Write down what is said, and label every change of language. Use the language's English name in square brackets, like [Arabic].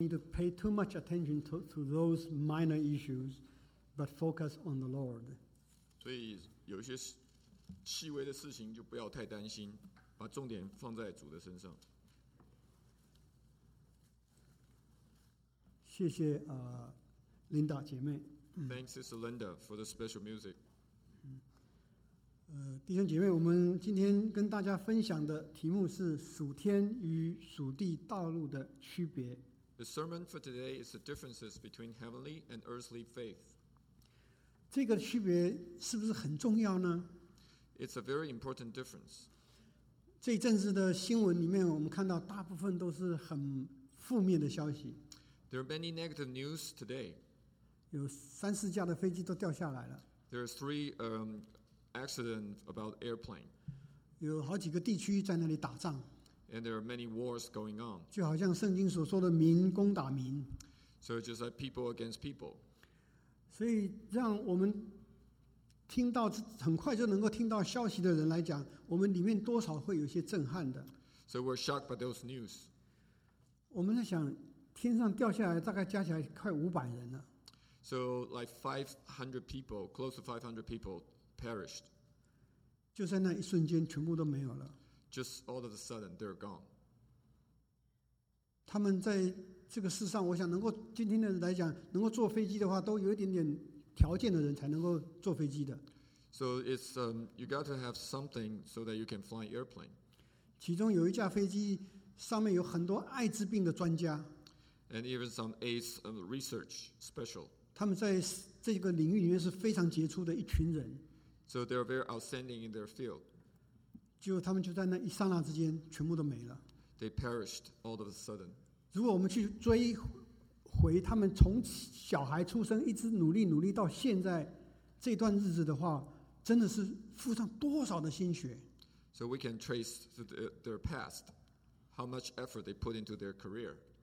[English] need to pay too much attention to those minor issues, but focus on the Lord. [Chinese] 所以有些细微的事情就不要太担心，把重点放在主的身上。谢谢Linda 姐妹。 [English] Thanks, Sister Linda, for the special music. [Chinese] 弟兄姐妹，我们今天跟大家分享的题目是属天与属地道路的区别。 [English] The sermon for today is the differences between heavenly and earthly faith. [Chinese] 这个区别是不是很重要呢？ [English] It's a very important difference. [Chinese] 这一阵子的新闻里面，我们看到大部分都是很负面的消息。 [English] There are many negative news today. [Chinese] 有三四架的飞机都掉下来了。 [English] There are three accidents about airplane. [Chinese] 有好几个地区在那里打仗。 [English] And there are many wars going on. [Chinese] 就好像圣经所说的民攻打民。 [English] So it's just like people against people. [Chinese] 所以让我们听到很快就能够听到消息的人来讲，我们里面多少会有些震撼的。 [English] So we're shocked by those news. [Chinese] 我们在想天上掉下来大概加起来快500人了。 [English] So like 500 people, close to 500 people perished. [Chinese] 就在那一瞬间全部都没有了。 [English] Just all of a sudden, they're gone. [Chinese] 他们在这个世上，我想能够今天的人来讲，能够坐飞机的话，都有一点点条件的人才能够坐飞机的。 [English] So it's, you got to have something so that you can fly airplane. [Chinese] 其中有一架飞机上面有很多艾滋病的专家。 [English] And even some AIDS research special. [Chinese] 他们在这个领域里面是非常杰出的一群人。 [English] So they're very outstanding in their field. [Chinese] 就他们就在那一刹那之间全部都没了。 [English] They perished all of a sudden. [Chinese] 如果我们去追回他们从小孩出生一直努力到现在这段日子的话，真的是付上多少的心血。 [English] So we can trace their past, how much effort they put into their career.